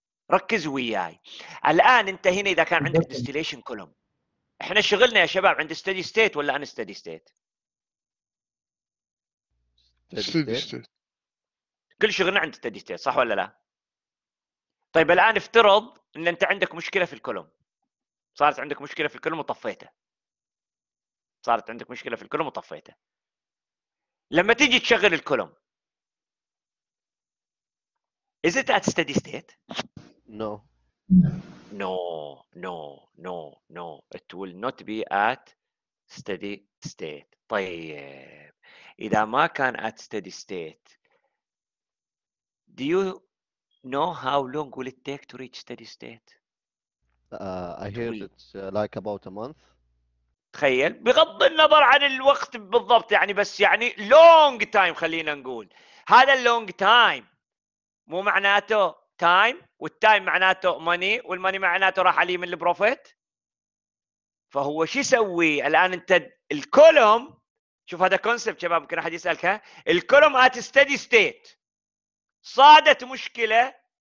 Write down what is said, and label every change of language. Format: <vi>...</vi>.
<ar>ركز وياي الان، انت هنا اذا كان عندك ديستيليشن كولوم، احنا شغلنا يا شباب عند ستدي ستيت ولا ان ستدي ستيت؟ كل شغلنا عند ستدي ستيت صح ولا لا؟ طيب الان افترض ان انت عندك مشكله في الكولوم، صارت عندك مشكله في الكولوم وطفيته، صارت عندك مشكله في الكولوم وطفيته، لما تيجي تشغل الكولوم از ات ات ستدي ستيت؟</ar> <en>No. No, no, no, no. It will not be at steady state.</en> <ar>طيب إذا ما كان</ar> <en>at steady state, do you know how long will it take to reach steady state? I hear it's like about a month.</en> <ar>تخيل، بغض النظر عن الوقت بالضبط يعني، بس يعني</ar> <en>long time</en> <ar>خلينا نقول. هذا</ar> <en>long time</en> <ar>مو معناته time، والتايم معناته ماني، والماني معناته راح عليه من البروفيت. فهو شو يسوي الان؟ انت الكولوم، شوف هذا كونسبت شباب، ممكن احد يسالك، ها الكولوم ات ستدي ستيت صادت مشكله،</ar>